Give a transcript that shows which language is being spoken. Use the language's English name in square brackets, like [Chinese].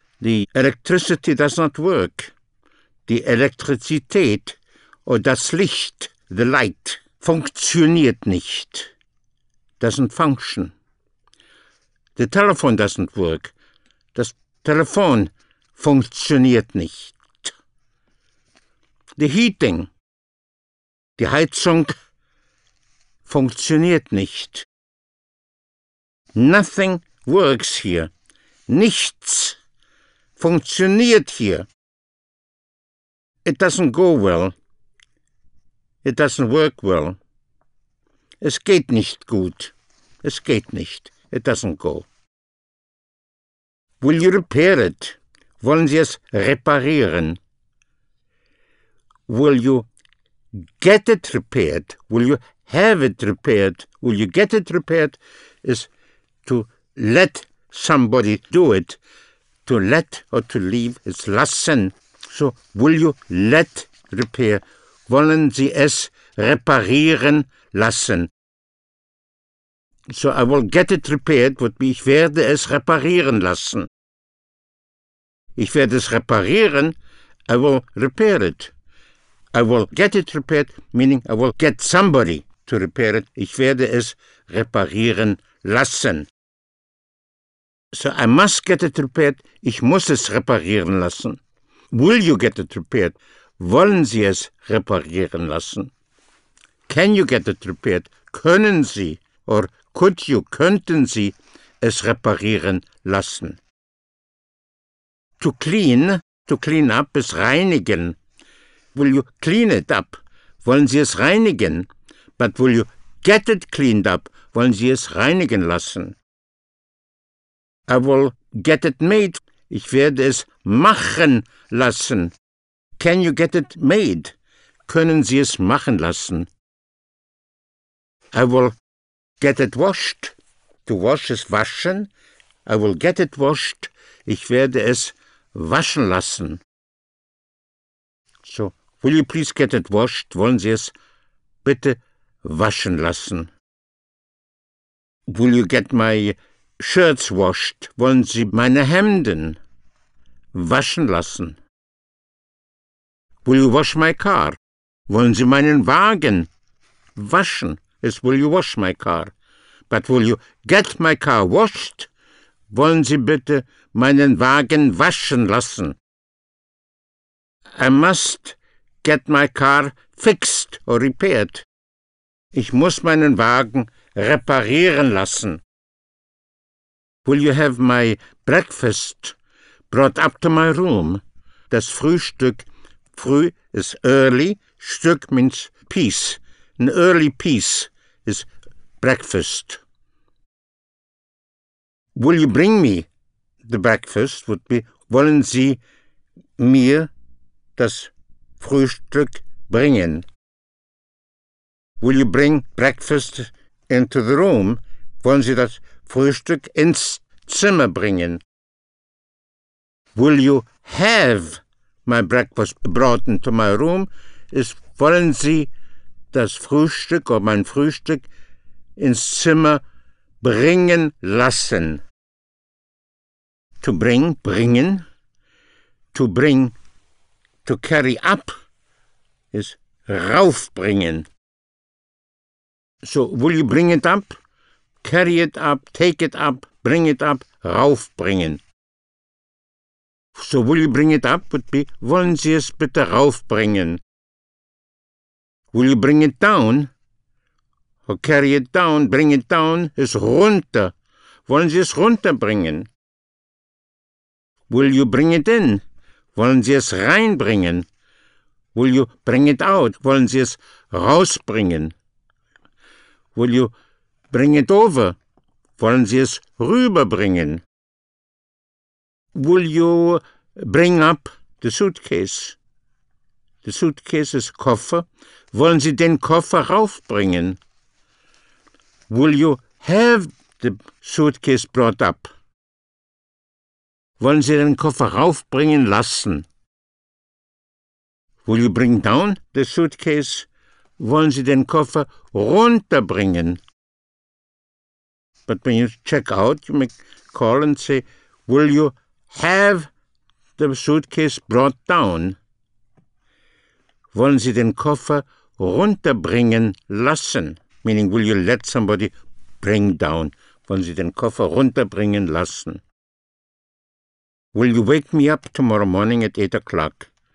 [English] The electricity does not work. [German] Die Elektrizität oder das Licht, [English] the light, [German] funktioniert nicht. [English] Doesn't function. The telephone doesn't work. [German] Das Telefon funktioniert nicht. [English] The heating, [German] die Heizung, funktioniert nicht. [English] Nothing works here. [German] Nichts funktioniert hier. [English] It doesn't go well. It doesn't work well. [German] Es geht nicht gut. Es geht nicht. [English] It doesn't go. Will you repair it? [German] Wollen Sie es reparieren? [English] Will you get it repaired? Will you have it repaired? Will you get it repaired? Is to let somebody do it. To let or to leave is lassen. So, will you let repair? [German] Wollen Sie es reparieren lassen? [English] So, I will get it repaired would be, [German] ich werde es reparieren lassen. Ich werde es reparieren, [English] I will repair it. I will get it repaired, meaning I will get somebody to repair it. [German] Ich werde es reparieren lassen. [English] So, I must get it repaired, [German] ich muss es reparieren lassen. [English] Will you get it repaired? [German] Wollen Sie es reparieren lassen? [English] Can you get it repaired? [German] Können Sie, [English] or could you, [German] könnten Sie es reparieren lassen? [English] To clean up, is reinigen. Will you clean it up? [German] Wollen Sie es reinigen? [English] But will you get it cleaned up? [German] Wollen Sie es reinigen lassen? [English] I will get it made. [German] Ich werde es machen lassen. [English] Can you get it made? [German] Können Sie es machen lassen? [English] I will get it washed. To wash is waschen. I will get it washed. [German] Ich werde es waschen lassen. [English] So, will you please get it washed? [German] Wollen Sie es bitte waschen lassen? [English] Will you get my shirts washed? [German] Wollen Sie meine Hemden waschen lassen? [English] Will you wash my car? [German] Wollen Sie meinen Wagen waschen? [English] Is will you wash my car? But will you get my car washed? [German] Wollen Sie bitte meinen Wagen waschen lassen? [English] I must get my car fixed or repaired. [German] Ich muss meinen Wagen reparieren lassen. [English] Will you have my breakfast brought up to my room? [German] Das Frühstück. [English] Früh is early. Stück means piece. An early piece is breakfast. Will you bring me the breakfast? Would be, [German] wollen Sie mir das Frühstück bringen? [English] Will you bring breakfast into the room? [German] Wollen Sie das Frühstück ins Zimmer bringen? [English] Will you have my breakfast brought into my room? Is, [German] wollen Sie das Frühstück oder mein Frühstück ins Zimmer bringen lassen? [English] To bring, bringen. To bring, to carry up, is raufbringen. So, will you bring it up? Carry it up, take it up, bring it up, raufbringen. So, will you bring it up would be, [German] wollen Sie es bitte raufbringen? [English] Will you bring it down? Or carry it down, bring it down, is runter. [German] Wollen Sie es runterbringen? [English] Will you bring it in? [German] Wollen Sie es reinbringen? [English] Will you bring it out? [German] Wollen Sie es rausbringen? [English] Will you bring it over? [German] Wollen Sie es rüberbringen? [English] Will you bring up the suitcase? The suitcase is Koffer. [German] Wollen Sie den Koffer raufbringen? [English] Will you have the suitcase brought up? [German] Wollen Sie den Koffer raufbringen lassen? [English] Will you bring down the suitcase? [German] Wollen Sie den Koffer runterbringen? [English] But when you check out, you may call and say, will you have the suitcase brought down. [German] Wollen Sie den Koffer runterbringen lassen? [English] Meaning, will you let somebody bring down? [German] Wollen Sie den Koffer runterbringen lassen? [English] Will you wake me up tomorrow morning at 8 o'clock?